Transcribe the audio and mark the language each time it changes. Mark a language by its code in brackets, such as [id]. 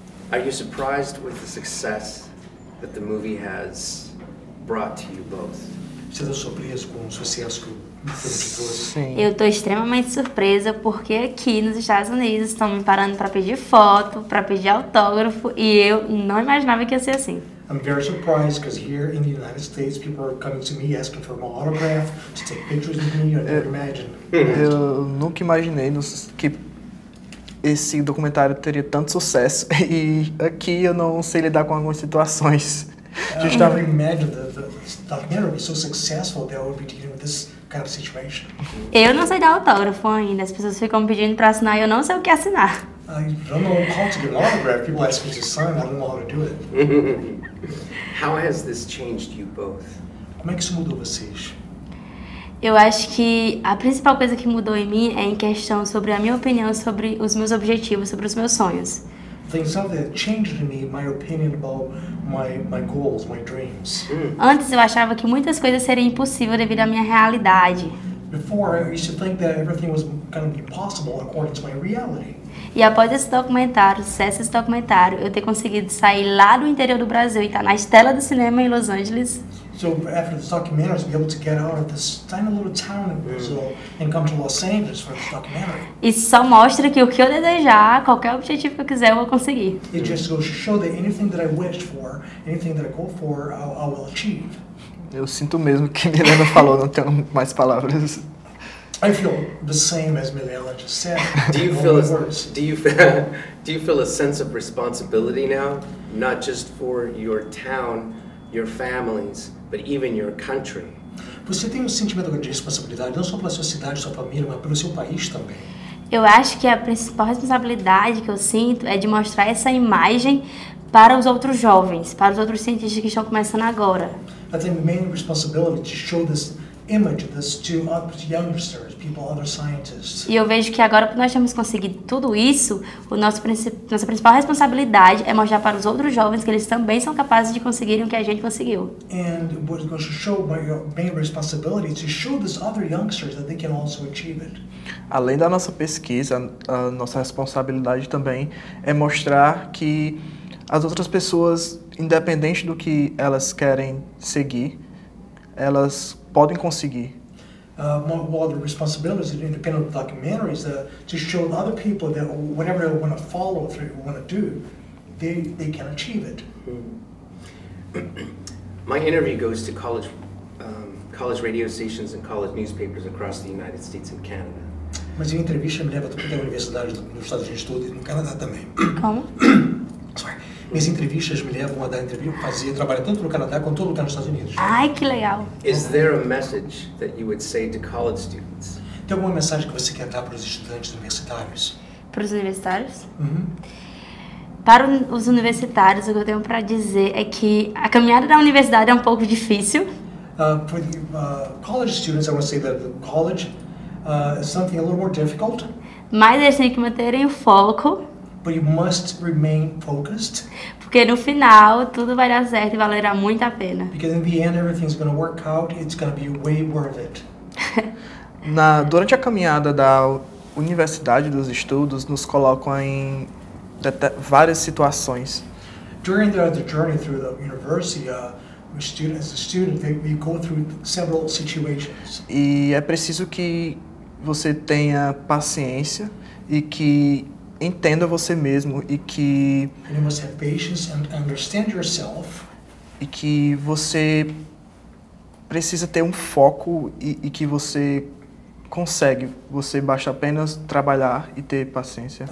[en] Are you surprised with the success that the movie has brought to you both? [pt] Você está surpreso com o sucesso que sim. Eu tô extremamente surpresa porque aqui nos Estados Unidos estão me parando para pedir foto, para pedir autógrafo e eu não imaginava que ia ser assim. [en] I'm very surprised because here in the United States people are coming to me asking for my autograph, to take pictures with me. I never imagined. [pt] Eu nunca imaginei que esse documentário teria tanto sucesso e aqui eu não sei lidar com algumas situações. [en] I never imagined that the documentary would be so successful that I would be dealing with this. [pt] Eu não sei dar autógrafo ainda. As pessoas ficam me pedindo para assinar e eu não sei o que assinar. [en] I don't know how to get an autograph. People ask me to sign. I don't know how to do it. How has this changed you both? [pt] Como é que isso mudou vocês? Eu acho que a principal coisa que mudou em mim é em questão sobre a minha opinião sobre os meus objetivos, sobre os meus sonhos. [en] Things that changed in me, my opinion about my goals, my dreams. [pt] Antes eu achava que muitas coisas seriam impossíveis devido à minha realidade. [en] Before I used to think that everything was going to be possible according to my reality. [pt] E após esse documentário, sucesso esse documentário, eu ter conseguido sair lá do interior do Brasil e estar na estela do cinema em Los Angeles. [en] So after this documentary, I'll be able to get out of this tiny little town in Brazil and come to Los Angeles for this documentary. [pt] Isso só mostra que o que eu desejar, qualquer objetivo que eu quiser, eu vou conseguir. [en] It just goes to show that anything that I wish for, anything that I go for, I will achieve. [pt] Eu sinto mesmo que Milena falou, não tenho mais palavras. [en] I feel the same as Milena just said. Do you feel a sense of responsibility now, not just for your town, your families, but even your country? [pt] Você tem um sentimento de responsabilidade não só pela sua cidade, sua família, mas pelo seu país também? Eu acho que a principal responsabilidade que eu sinto é de mostrar essa imagem para os outros jovens, para os outros cientistas que estão começando agora. [en] I think the main responsibility to show this image of this to other youngsters, people, other scientists. [pt] E eu vejo que agora que nós temos conseguido tudo isso, o nosso nossa principal responsabilidade é mostrar para os outros jovens que eles também são capazes de conseguir o que a gente conseguiu. [en] And what is going to show by your main responsibility is to show these other youngsters that they can also achieve it. [pt] Além da nossa pesquisa, a nossa responsabilidade também é mostrar que as outras pessoas, independente do que elas querem seguir, elas podem conseguir. [en] Well, the responsibility is independent of the documentary is to show other people that whatever they want to follow through, want to do, they can achieve it. My interview goes to college radio stations and college newspapers across the United States and Canada. [pt] Mas a entrevista me leva para universidades nos Estados Unidos todos e no Canadá também. Como? Minhas entrevistas me levam a dar entrevista, fazer trabalho tanto no Canadá quanto todo lugar nos Estados Unidos. Ai, que legal! [en] Is there a message that you would say to college students? [pt] Tem alguma mensagem que você quer dar para os estudantes universitários? Para os universitários? Uhum. Para os universitários, o que eu tenho para dizer é que a caminhada da universidade é um pouco difícil. [en] For the college students, I want to say that the college is something a little more difficult. [pt] Mas eles têm que manterem o foco. [en] But you must remain focused. [pt] Porque no final tudo vai dar certo e valerá muito a pena. [en] Because in the end everything's going to work out, it's going to be way worth it. [pt] Durante a caminhada da universidade dos estudos nos colocam em várias situações. [en] During the journey through the university, we go through several situations. [pt] E é preciso que você tenha paciência e que entenda você mesmo e que [en] and you must have patience and understand yourself. [pt] E que você precisa ter um foco e que você consegue. Você basta apenas trabalhar e ter paciência.